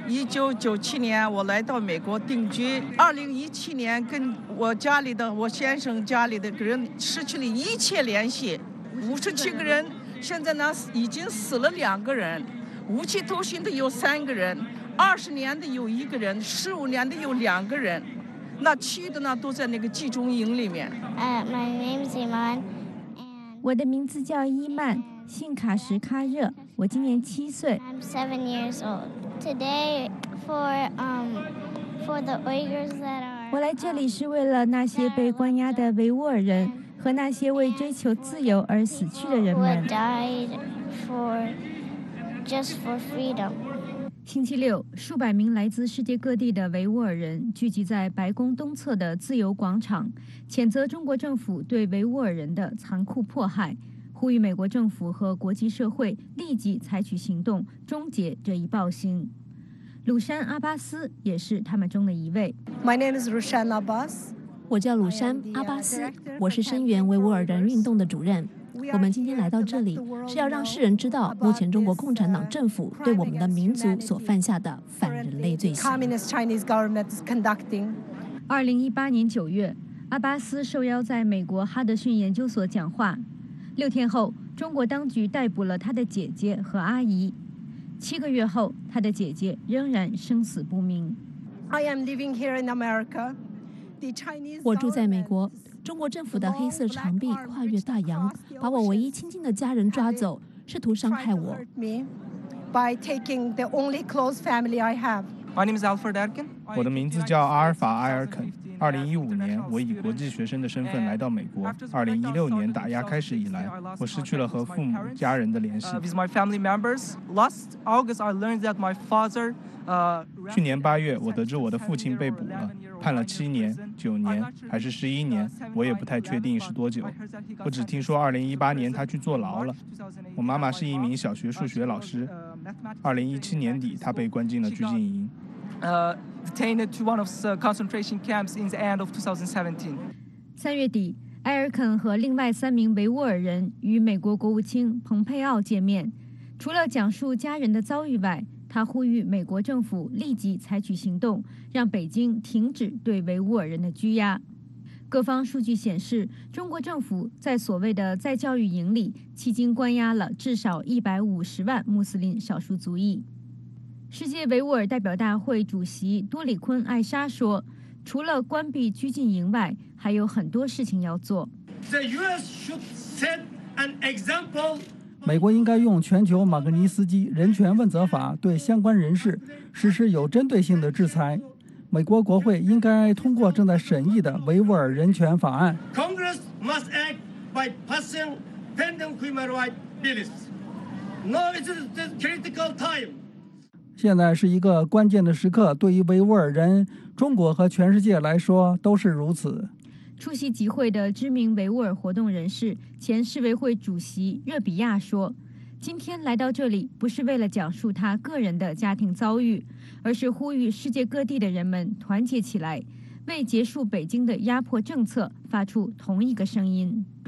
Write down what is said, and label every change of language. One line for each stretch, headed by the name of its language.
Chinese: 1997年我来到美国定居，2017年跟我家里的我先生家里的人失去了一切联系，57个人，现在呢已经死了2个人，无期徒刑的有3个人，20年的有1个人，15年的有2个人，那其余的呢都在那个集中营里面。
English: My name is Iman。
Chinese: 我的名字叫伊曼，姓卡什卡热，我今年7岁。
English: I'm 7 years old. Today for the Uyghurs that are
Chinese: 我来这里是为了那些被关押的维吾尔人和那些为追求自由而死去的人们。
English: died for freedom.
Chinese: 星期六，数百名来自世界各地的维吾尔人聚集在白宫东侧的自由广场，谴责中国政府对维吾尔人的残酷迫害，呼吁美国政府和国际社会立即采取行动，终结这一暴行。鲁山·阿巴斯也是他们中的一位。
English: My name is Roshan Abbas.
Chinese: 我叫鲁山·阿巴斯，我是声援维吾尔人运动的主任。我们今天来到这里，是要让世人知道目前中国共产党政府对我们的民族所犯下的反人类罪行。 2018年9月，阿巴斯受邀在美国哈德逊研究所讲话。 6天后，中国当局逮捕了他的姐姐和阿姨。 7个月后，他的姐姐仍然生死不明。
English: I am living here in America. The Chinese.
Chinese: 我住在美国。中国政府的黑色长臂跨越大洋，把我唯一亲近的家人抓走，试图伤害我。
English: By taking the only close family I have. My name is Alfred Erkin.
Chinese: 我的名字叫阿尔法·埃尔肯。2015年，我以国际学生的身份来到美国。 2016年打压开始以来，我失去了和父母、家人的联系。
English: These my family members. Last August, I learned that my father.
Chinese: 去年8月，我得知我的父亲被捕了。判了7年、9年还是11年，我也不太确定是多久。我只听说2018年他去坐牢了。我妈妈是一名小学数学老师。 2017年底，他被关进了拘禁营。
English: Detained to one of the concentration camps in the end of 2017.
Chinese: 3月底，埃尔肯和另外3名维吾尔人与美国国务卿蓬佩奥见面。除了讲述家人的遭遇外，他呼吁美国政府立即采取行动，让北京停止对维吾尔人的拘押。各方数据显示，中国政府在所谓的在教育营里迄今关押了至少150万穆斯林少数族裔。世界维吾尔代表大会主席多里坤·艾莎说，除了关闭拘禁营外，还有很多事情要做。
English: The US should set an example.
Chinese: 美国应该用全球马格尼斯基人权问责法对相关人士实施有针对性的制裁。美国国会应该通过正在审议的维吾尔人权法案。
English: Congress must act by passing pending human rights bills. Now is the critical time.
Chinese: 现在是一个关键的时刻，对于维吾尔人、中国和全世界来说都是如此。出席集会的知名维吾尔活动人士、前世维会主席热比亚说，今天来到这里不是为了讲述他个人的家庭遭遇，而是呼吁世界各地的人们团结起来，为结束北京的压迫政策发出同一个声音。